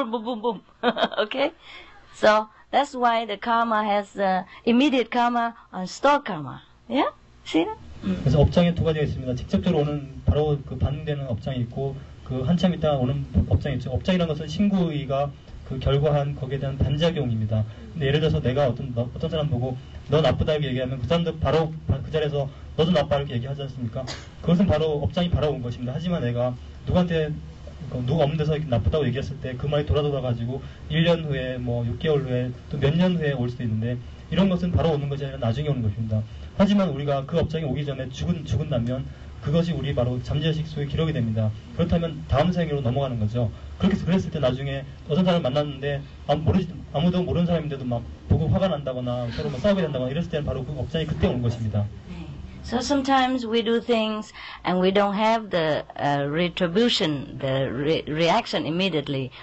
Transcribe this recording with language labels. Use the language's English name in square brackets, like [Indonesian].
[English] Okay? So that's why the karma has immediate karma and stored karma. Yeah? See that? [Korean] 그래서 업장이 두 가지가 있습니다. 직접적으로 오는 바로 그 반응되는 업장이 있고 그 한참 있다 오는 업장이 있죠. 업장이란 것은 신구의가 그 결과한 거기에 대한 반작용입니다. 근데 예를 들어서 내가 어떤 사람 보고 너 나쁘다 이렇게 얘기하면 그 사람도 바로 그 자리에서 너도 나빠 이렇게 얘기하지 않습니까? 그것은 바로 업장이 바로 온 것입니다. 하지만 내가 누구한테 누가 없는 데서 이렇게 나쁘다고 얘기했을 때 그 말이 돌아가지고 1년 후에 뭐 6개월 후에 또 몇 년 후에 올 수도 있는데 이런 것은 바로 오는 것이 아니라 나중에 오는 것입니다. 하지만 우리가 그 업장에 오기 전에 죽은다면 그것이 우리 바로 잠재의식 속에 기록이 됩니다. 그렇다면 다음 생으로 넘어가는 거죠. 그렇게 그랬을 때 나중에 어떤 사람을 만났는데 아무도 모르는 사람인데도 막 보고 화가 난다거나 서로 막 싸우게 된다거나 이랬을 때는 바로 그 업장이 그때 오는 것입니다. [English] So sometimes we do things and we don't have the retribution, the reaction immediately.